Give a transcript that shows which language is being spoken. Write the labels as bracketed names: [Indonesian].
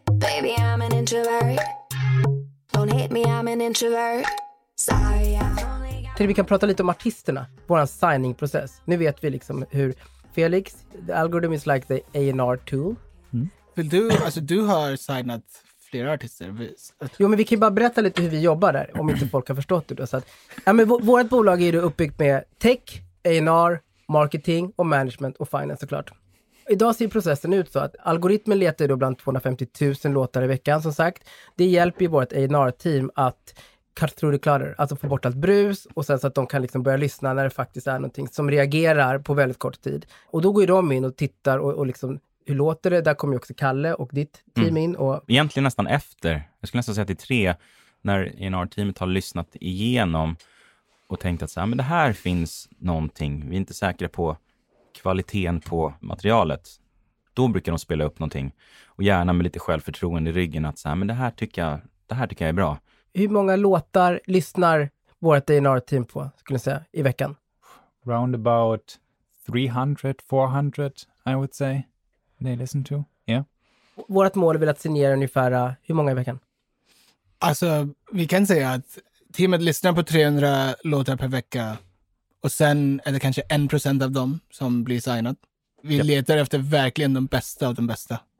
[English] Baby, I'm an introvert. Don't hit me, I'm an introvert. Sorry, I'm only got... [Swedish] Vi kan prata lite om artisterna, vår signing-process. Nu vet vi liksom hur... [English] Felix, the algorithm is like the A&R tool. [Swedish] Vill du, alltså du har signat flera artister. Jo, men vi kan bara berätta lite hur vi jobbar där, om inte folk har förstått det då. Så att, ja, men vårt bolag är ju uppbyggt med tech, A&R, marketing och management och finance såklart. Idag ser processen ut så att algoritmen letar ju då bland 250 000 låtar i veckan som sagt. Det hjälper ju vårt A&R-team att [English] cut through the clutter, [Swedish] alltså få bort allt brus och sen så att de kan liksom börja lyssna när det faktiskt är någonting som reagerar på väldigt kort tid. Och då går ju de in och tittar och liksom, hur låter det? Där kommer ju också Kalle och ditt team in. Och... Egentligen nästan efter, jag skulle nästan säga att det är 3 när A&R-teamet har lyssnat igenom och tänkt att så här, men det här finns någonting, vi är inte säkra på kvaliteten på materialet. Då brukar de spela upp någonting och gärna med lite självförtroende i ryggen att så här, men det här tycker jag är bra. Hur många låtar lyssnar vårt A&R-team på, skulle jag säga, i veckan? [English] Round about 300-400, I would say, they listen to. Yeah. [Swedish] Vårt mål är väl att signera ungefär hur många i veckan? Alltså, vi kan säga att teamet lyssnar på 300 låtar per vecka. Och sen är det kanske 1% av dem som blir signat. Vi letar efter verkligen de bästa av de bästa.